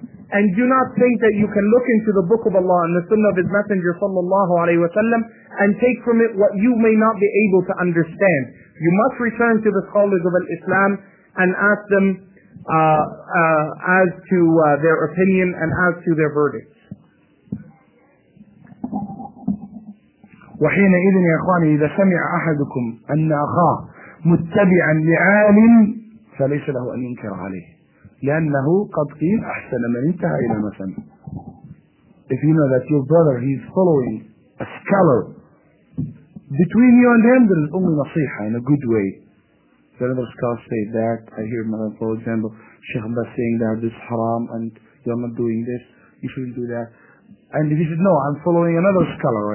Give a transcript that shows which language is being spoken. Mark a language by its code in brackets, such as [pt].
[en] And do not think that you can look into the Book of Allah and the Sunnah of His Messenger sallallahu alayhi wa sallam and take from it what you may not be able to understand. You must return to the scholars of Islam and ask them as to their opinion and as to their verdict. [ar] وحينئذ يا اخواني اذا سمع احدكم ان اخاه متبعا لعالم فليس له ان ينكر عليه, لانه قد قيل احسن من انتهى الى ما سمع. [en] If you know that your brother he is following a scholar, between you and him there is only nasiha in a good way. The other scholars say that, I hear my, for example, Sheikh Abbas saying that this is haram and you're not doing this, you shouldn't do that. And he said, no, I'm following another scholar.